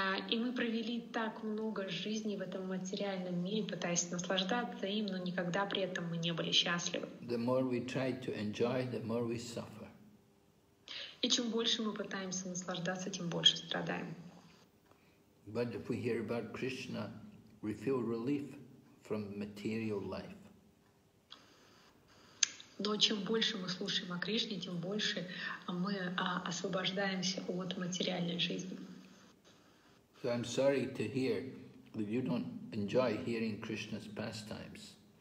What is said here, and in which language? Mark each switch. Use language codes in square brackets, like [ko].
[ru] И мы провели так много жизни в этом материальном мире, пытаясь наслаждаться им, но никогда при этом мы не были счастливы. [en] The more we try to enjoy, the more we suffer. [ru] И чем больше мы пытаемся наслаждаться, тем больше страдаем. [en] But if we hear about Krishna, we feel relief from material life. [ru] Но чем больше мы слушаем о Кришне, тем больше мы освобождаемся от материальной жизни. [en] So I'm sorry to hear that you don't enjoy hearing Krishna's pastimes.